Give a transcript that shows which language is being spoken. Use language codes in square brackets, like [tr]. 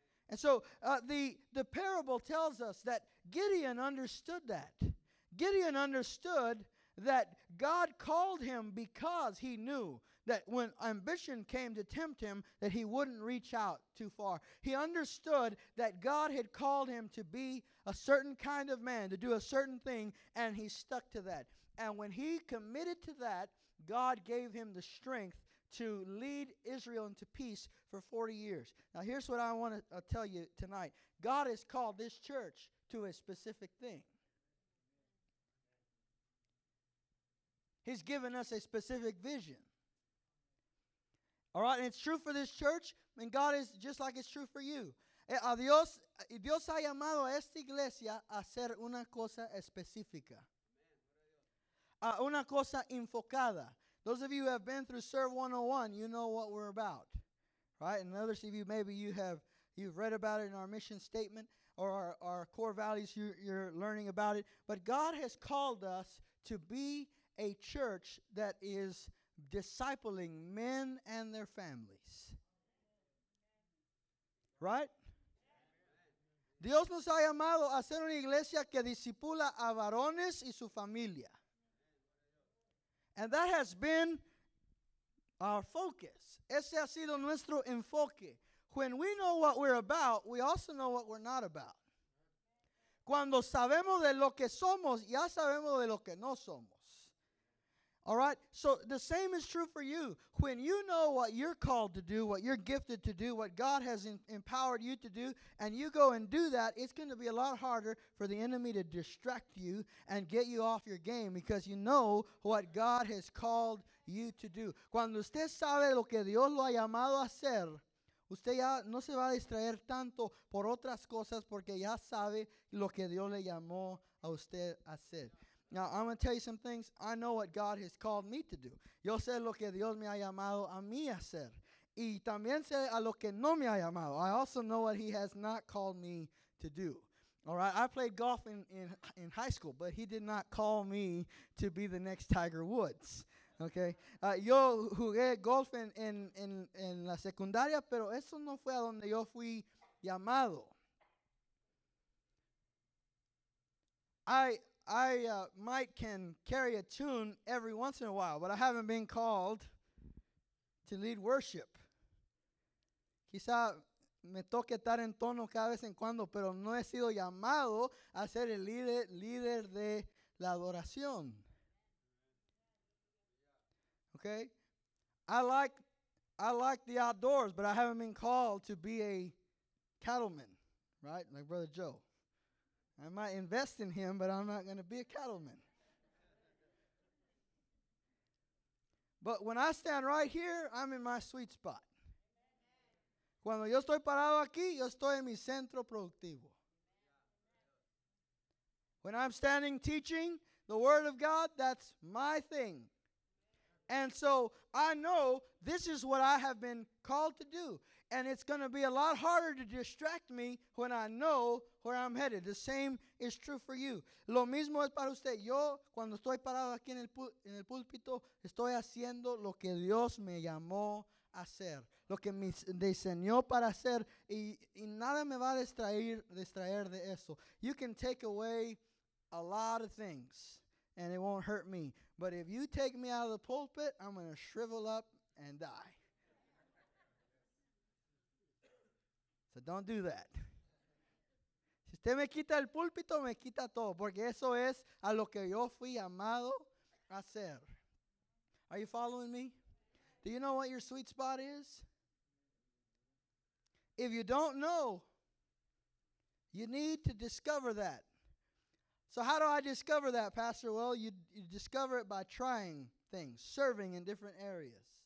[en] And so the parable tells us that Gideon understood that. Gideon understood that God called him because he knew that when ambition came to tempt him, that he wouldn't reach out too far. He understood that God had called him to be a certain kind of man, to do a certain thing, and he stuck to that. And when he committed to that, God gave him the strength to lead Israel into peace for 40 years. Now, here's what I want to tell you tonight. God has called this church to a specific thing. He's given us a specific vision. All right, and it's true for this church, and God is just like it's true for you. [es] Dios ha llamado a esta iglesia a hacer una cosa específica. Una cosa enfocada. [en] Those of you who have been through Serve 101, you know what we're about, right? And others of you, maybe you've read about it in our mission statement or our core values, you're learning about it. But God has called us to be a church that is discipling men and their families, right? [es] Dios nos ha llamado a ser una iglesia que discipula a varones y su familia. [en] And that has been our focus. [es] Ese ha sido nuestro enfoque. [en] When we know what we're about, we also know what we're not about. [es] Cuando sabemos de lo que somos, ya sabemos de lo que no somos. [en] All right? So the same is true for you. When you know what you're called to do, what you're gifted to do, what God has empowered you to do, and you go and do that, it's going to be a lot harder for the enemy to distract you and get you off your game because you know what God has called you to do. [es] Cuando usted sabe lo que Dios lo ha llamado a hacer, usted ya no se va a distraer tanto por otras cosas porque ya sabe lo que Dios le llamó a usted a hacer. [en] Now, I'm going to tell you some things. I know what God has called me to do. [es] Yo sé lo que Dios me ha llamado a mí a hacer. Y también sé a lo que no me ha llamado. [en] I also know what he has not called me to do. All right, I played golf in high school, but he did not call me to be the next Tiger Woods. Okay? [es] Yo jugué golf en la secundaria, pero eso no fue a donde yo fui llamado. [en] I might can carry a tune every once in a while, but I haven't been called to lead worship. [es] Quizá me toque estar en tono cada vez en cuando, pero no he sido llamado a ser el líder de la adoración. [en] Okay? I like the outdoors, but I haven't been called to be a cattleman, right? Like Brother Joe. I might invest in him, but I'm not going to be a cattleman. But when I stand right here, I'm in my sweet spot. [es] Cuando yo estoy parado aquí, yo estoy en mi centro productivo. [en] When I'm standing teaching the Word of God, that's my thing. And so I know this is what I have been called to do. And it's going to be a lot harder to distract me when I know where I'm headed. The same is true for you. [es] Lo mismo es para usted. Yo, cuando estoy parado aquí en el púlpito, estoy haciendo lo que Dios me llamó a hacer. lo que me diseñó para hacer, y nada me va a distraer de eso. [en] You can take away a lot of things, and it won't hurt me. But if you take me out of the pulpit, I'm going to shrivel up and die. So don't do that. [es] Si usted me quita el púlpito, me quita todo, porque eso es a lo que yo fui llamado a hacer. [en] Are you following me? Do you know what your sweet spot is? If you don't know, you need to discover that. So how do I discover that, Pastor? Well, you discover it by trying things, serving in different areas.